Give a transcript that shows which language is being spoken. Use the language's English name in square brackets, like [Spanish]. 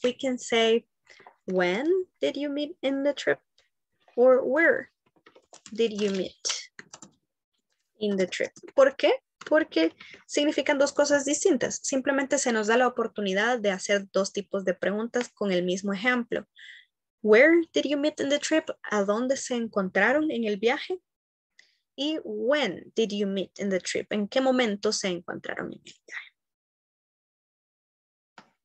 [English] We can say, when did you meet in the trip? Or where did you meet in the trip? [Spanish] ¿Por qué? Porque significan dos cosas distintas. Simplemente se nos da la oportunidad de hacer dos tipos de preguntas con el mismo ejemplo. [English] Where did you meet in the trip? [Spanish] ¿A dónde se encontraron en el viaje? [English] Y when did you meet in the trip? [Spanish] ¿En qué momento se encontraron en el viaje?